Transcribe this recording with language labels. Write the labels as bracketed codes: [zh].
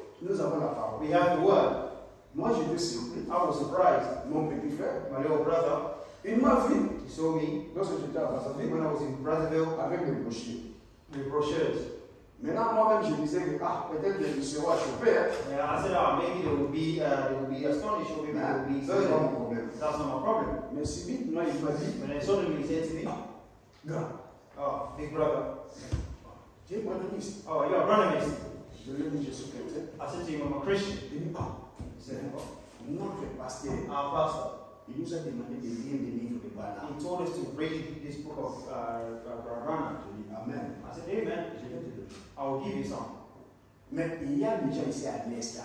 [fr] Nous avons la parole. [en] We have the word. [fr] Moi, j'étais surpris. [en] I was surprised. [fr] Mon petit frère, [en] my little brother. [fr] Il m'a vu. [en] He saw me. [fr] Lorsque j'étais à Brazzaville. [en] When I was in Brazzaville. [fr] Avec mes brochures. Mes brochures. Maintenant, moi-même, je disais que, ah, peut-être que je serai chopé. [en] Yeah, I said, ah, maybe they will be astonished, or maybe they will be. That's not my problem. That's not my problem. [fr] Mais si vite, moi, il m'a dit. [en] When I saw them, he said to me. [fr] Grand. [en] Oh, big brother. [fr] Tu es brandoniste. [en] Oh, you are brandoniste. [fr] Je lui ai dit, je suis chrétien. [en] I said to him, I'm a Christian. [fr] Il dit, ah. [en] He said, ah. [fr] Moi, je suis pasteur. Ah, pasteur. Il nous a demandé de lire le livre de Barana. [en] He told us to read this book of Barana. [fr] Je dis amen. [en] I said amen. [fr] Je vais te donner. [en] I will give you some. [fr] Mais il y a des gens ici à Leicester.